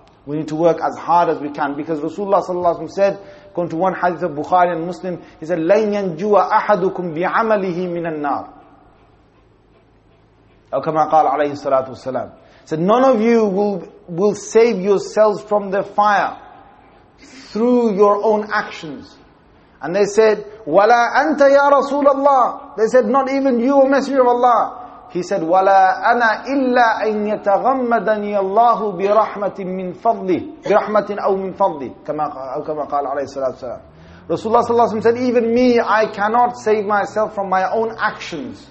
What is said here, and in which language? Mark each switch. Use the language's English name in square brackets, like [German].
[English] We need to work as hard as we can. Because Rasulullah sallallahu alaihi wasallam said, according to one hadith of Bukhari and Muslim, he said, [Arabic] لَنْ يَنْجُوَ أَحَدُكُمْ بِعَمَلِهِ مِنَ النَّارِ أَوْ كَمَا قَالَ عَلَيْهِ السَّلَاةُ وَالسَّلَامُ. [English] He said, none of you will save yourselves from the fire through your own actions. And they said, [Arabic] وَلَا أَنْتَ يَا رَسُولَ اللَّهِ. [English] They said, not even you, O Messenger of Allah. He said, [Arabic] وَلَا أَنَا إِلَّا أَنْ يَتَغَمَّدَنِيَ اللَّهُ بِرَحْمَةٍ مِّنْ فَضْلِهِ بِرَحْمَةٍ أَوْ مِّنْ فَضْلِهِ كَمَا قَالَ عَلَيْهِ السَّلَاةُ وَالسَّلَامُ. [English] Rasulullah sallallahu alayhi wa said, even me, I cannot save myself from my own actions.